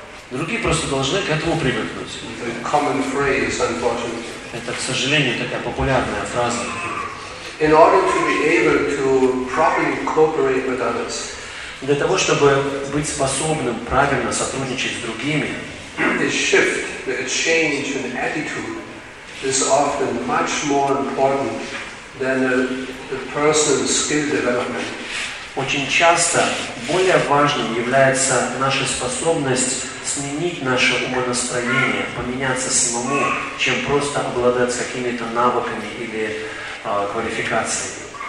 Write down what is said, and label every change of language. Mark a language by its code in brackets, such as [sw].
[ru] Другие просто должны к этому привыкнуть. Это, к сожалению, такая популярная фраза. [en] In order to be able to properly cooperate with others, [ru] для того, чтобы быть способным правильно сотрудничать с другими, [en] the shift, the change in attitude is often much more important than the person's skill development. [ru] Очень часто более важным является наша способность сменить наше умонастроение, поменяться самому, чем просто обладать какими-то навыками или квалификацией.